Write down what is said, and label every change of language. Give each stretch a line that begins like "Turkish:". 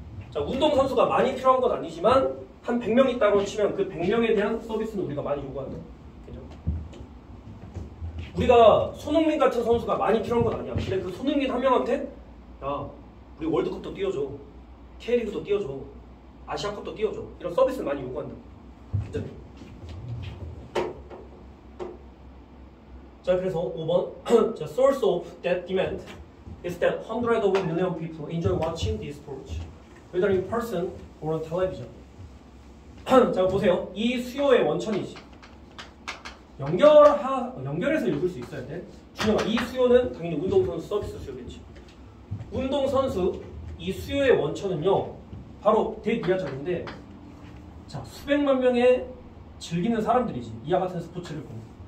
Korean: 자, 운동선수가 많이 필요한 건 아니지만 한 100명 있다고 치면 그 100명에 대한 서비스는 우리가 많이 요구한다. 그렇죠? 우리가 손흥민 같은 선수가 많이 필요한 건 아니야. 근데 그 손흥민 한 명한테 야, 우리 월드컵도 뛰어줘, K리그도 뛰어줘, 아시아컵도 뛰어줘, 이런 서비스를 많이 요구한다. 그죠? 자, 그래서 5번
English: The source of that demand is that hundreds of million people enjoy watching this sports whether in person or on television.
Korean: 자, 보세요. 이 수요의 원천이지. 연결해서 읽을 수 있어야 돼. 준영아, 이 수요는 당연히 운동선수 서비스 수요겠지. 운동선수 이 수요의 원천은요 바로 대기하자인데, 자, 수백만 명의 즐기는 사람들이지. 이와 같은 스포츠를 보면.